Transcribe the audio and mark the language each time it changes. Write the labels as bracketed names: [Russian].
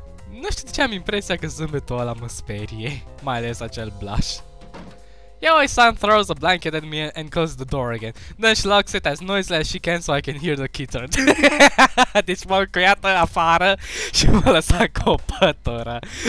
[Romanian] Nu știu de ce am impresia că zâmbetul ăla mă sperie, mai ales acel blush. [English] Yaoi-san throws a blanket at me and closes the door again. Then she locks it as noiselessly as she can so I can hear the kitten. [Romanian] Deci m-am cuiat afară și m-a lăsat copătura.